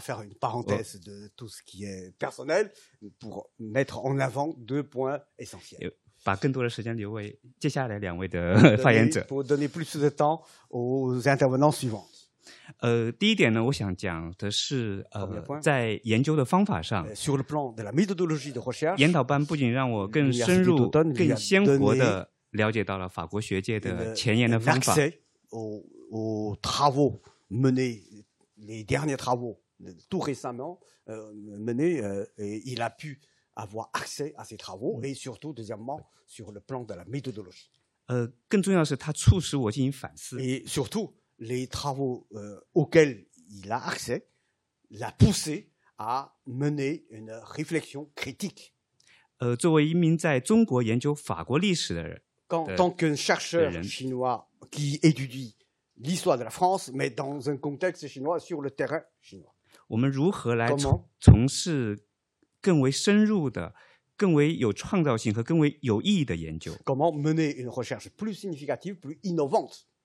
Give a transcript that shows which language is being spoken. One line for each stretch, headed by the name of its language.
French: faire une parenthèse de tout ce qui est personnel pour mettre en avant deux points essentiels.
Chinese: 把更多的时间留给接下来两位的发言者。Pour
French: donner plus de temps aux intervenants suivants.
Chinese: 第一点呢，我想讲的是，在研究的方法上
French: sur le plan de la méthodologie de recherche,
Chinese: 研讨班不仅让我更深入、更鲜活地了解到了法国学界的前沿的方法。
French: Accès aux travaux menés, les derniers travaux tout récemment menés, et il a pu avoir accès à ces travaux, et surtout, deuxièmement, sur le plan de la méthodologie.
Chinese: 更重要的是，他促使我进行反思。
French: Et surtout, les travaux auxquels il a accès l'a poussé à mener une réflexion critique.
Chinese: 作为一名在中国研究法国历史的人，
French: tant qu'un chercheur chinois qui étudie l'histoire de la France, mais dans un contexte chinois, sur le terrain chinois.
Chinese: 我们如何来从事更为深入的、更为有创造性和更为有意义的研究？
French: Comment mener une recherche plus significative, plus innovante?